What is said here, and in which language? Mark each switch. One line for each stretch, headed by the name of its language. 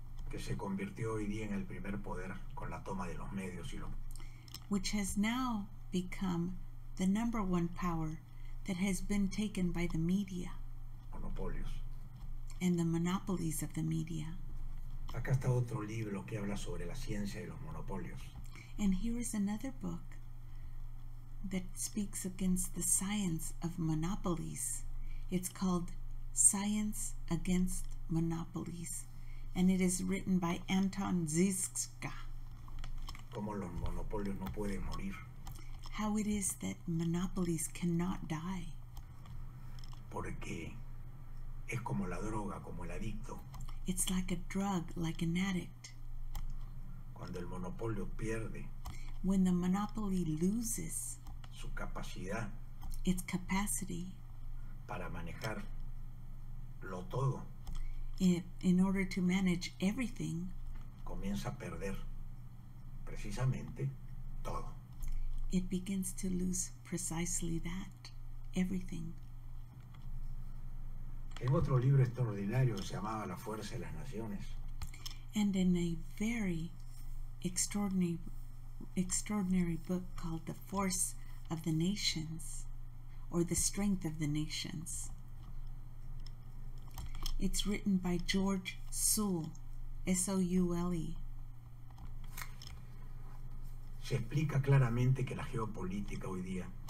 Spanish: Que se convirtió hoy día en el primer poder con la toma de los medios y lo.
English: Which has now become the number one power that has been taken by the media.
Spanish: Monopolios.
English: And the monopolies of the media.
Spanish: Acá está otro libro que habla sobre la ciencia y los monopolios.
English: And here is another book that speaks against the science of monopolies. It's called Science Against Monopolies. And it is written by Anton Ziska.
Spanish: Como los monopolios no pueden morir.
English: How it is that monopolies cannot die.
Spanish: Porque es como la droga, como el adicto.
English: It's like a drug, like an addict.
Spanish: Cuando el monopolio pierde.
English: When the monopoly loses.
Spanish: Su capacidad.
English: Its capacity.
Spanish: Para manejarlo todo.
English: in order to manage everything,
Spanish: comienza a perder precisamente todo.
English: It begins to lose precisely that, everything.
Spanish: En otro libro extraordinario se llamaba La Fuerza de las Naciones.
English: And in a very extraordinary book called The Force of the Nations, or The Strength of the Nations. It's written by George Soule, S-O-U-L-E.
Spanish: Se explica claramente que la geopolítica hoy día.